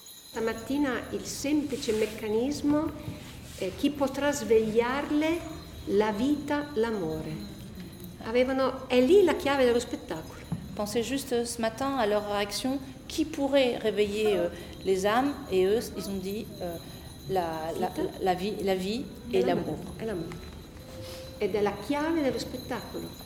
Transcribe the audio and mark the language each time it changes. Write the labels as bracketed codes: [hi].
[it] Stamattina il semplice meccanismo è chi potrà svegliarle la vita, l'amore. Avevano, è lì la chiave dello spettacolo. [fr] Pensez juste ce matin à leur réaction, qui pourrait réveiller les âmes, et eux, ils ont dit la vie et l'amour. Et l'amour. [it] Ed è la chiave dello spettacolo.